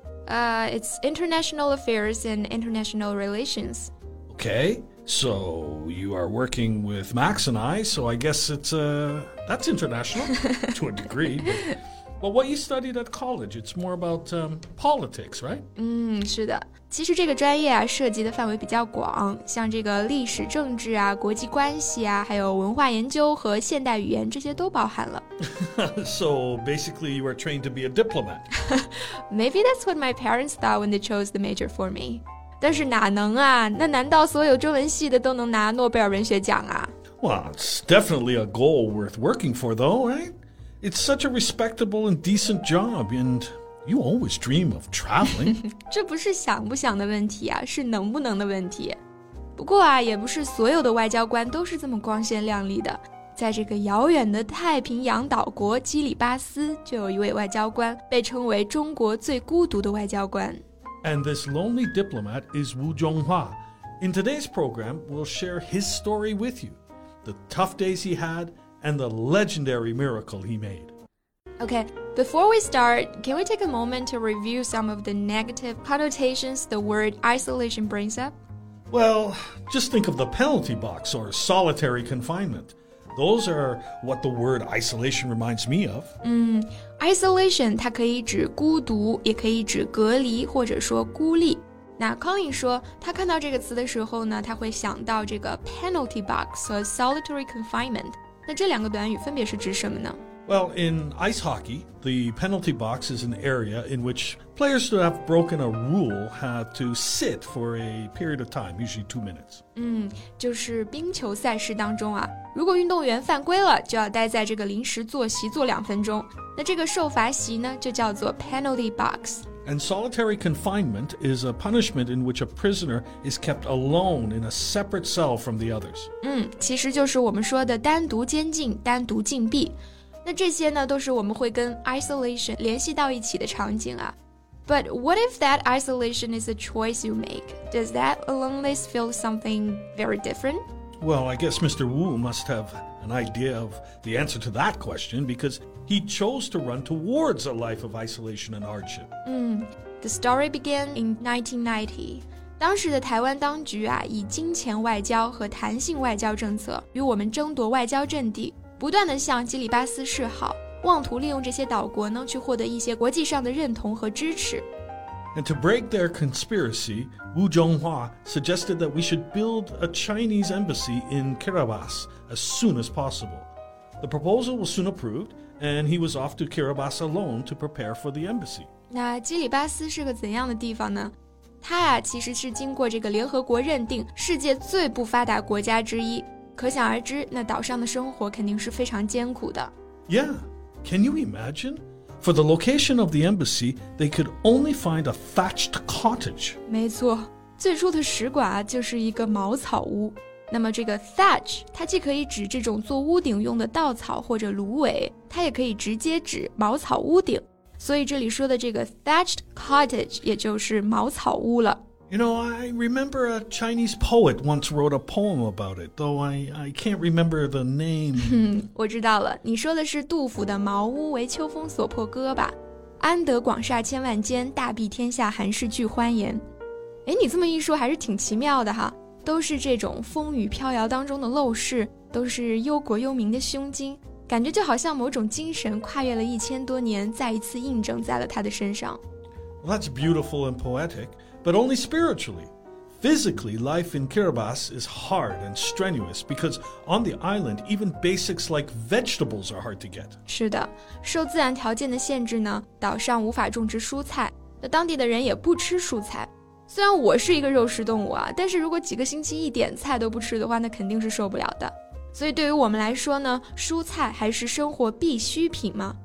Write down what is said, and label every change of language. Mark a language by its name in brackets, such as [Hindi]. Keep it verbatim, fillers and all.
[English] Uh, it's International Affairs and International Relations. Okay, so you are working with Max and I, so I guess it's, uh, that's international to a degree. But, well, what you studied at college, it's more about um, politics, right? [Chinese] 嗯，是的。其实这个专业啊，涉及的范围比较广，像这个历史、政治啊、国际关系啊，还有文化研究和现代语言，这些都包含了。 [English] So basically, you are trained to be a diplomat. Maybe that's what my parents thought when they chose the major for me. [Chinese] 但是哪能啊？那难道所有中文系的都能拿诺贝尔文学奖啊？ [English] Well, it's definitely a goal worth working for, though, right? It's such a respectable and decent job, and... You always dream of traveling. [Chinese] 这不是想不想的问题啊，是能不能的问题。不过啊，也不是所有的外交官都是这么光鲜亮丽的。在这个遥远的太平洋岛国基里巴斯，就有一位外交官被称为中国最孤独的外交官。 [English] And this lonely diplomat is Wu Zhonghua. In today's program, we'll share his story with you, the tough days he had, and the legendary miracle he made. Okay, before we start, can we take a moment to review some of the negative connotations the word isolation brings up? Well, just think of the penalty box or solitary confinement. Those are what the word isolation reminds me of. [Chinese] 嗯 isolation 它可以指孤独，也可以指隔离，或者说孤立。那 Colin 说，他看到这个词的时候呢，他会想到这个 penalty box 和 solitary confinement。那这两个短语分别是指什么呢？ [English] Well, in ice hockey, the penalty box is an area in which players who have broken a rule have to sit for a period of time, usually two minutes. [Chinese] 嗯，就是冰球赛事当中啊，如果运动员犯规了，就要待在这个临时坐席坐两分钟。那这个受罚席呢，就叫做 penalty box. [English] And solitary confinement is a punishment in which a prisoner is kept alone in a separate cell from the others. [Chinese] 嗯，其实就是我们说的单独监禁、单独禁闭。那这些呢，都是我们会跟 isolation 联系到一起的场景啊。 [English] But what if that isolation is a choice you make? Does that aloneness feel something very different? Well, I guess Mister Wu must have an idea of the answer to that question because he chose to run towards a life of isolation and hardship. 嗯 The story began in nineteen ninety. [Chinese] 当时的台湾当局啊，以金钱外交和弹性外交政策与我们争夺外交阵地。不断地向基里巴斯示好，妄图利用这些岛国呢去获得一些国际上的认同和支持。 [English] And to break their conspiracy, Wu Zhonghua suggested that we should build a Chinese embassy in Kiribati as soon as possible. The proposal was soon approved, and he was off to Kiribati alone to prepare for the embassy. [Chinese] 那基里巴斯是个怎样的地方呢？它啊其实是经过这个联合国认定世界最不发达国家之一。可想而知，那岛上的生活肯定是非常艰苦的。 [English] Yeah, can you imagine? For the location of the embassy, they could only find a thatched cottage. [Chinese] 没错，最初的使馆啊，就是一个茅草屋。那么这个 thatch， 它既可以指这种做屋顶用的稻草或者芦苇，它也可以直接指茅草屋顶。所以这里说的这个 thatched cottage， 也就是茅草屋了。 [English] You know, I remember a Chinese poet once wrote a poem about it, though I, I can't remember the name. [Chinese] 嗯，我知道了，你说的是杜甫的《茅屋为秋风所破歌》吧？安得广厦千万间，大庇天下寒士俱欢颜。哎，你这么一说还是挺奇妙的哈，都是这种风雨飘摇当中的陋室，都是忧国忧民的胸襟，感觉就好像某种精神跨越了一千多年，再一次印证在了他的身上。 [English] Well, that's beautiful and poetic. But only spiritually. Physically, life in Kiribati is hard and strenuous because on the island, even basics like vegetables are hard to get. [Chinese] 是的，受自然条件的限制呢，岛上无法种植蔬菜，那当地的人也不吃蔬菜。虽然我是一个肉食动物啊，但是如果几个星期一点菜都不吃的话，那肯定是受不了的。所以对于我们来说呢，蔬菜还是生活必需品嘛。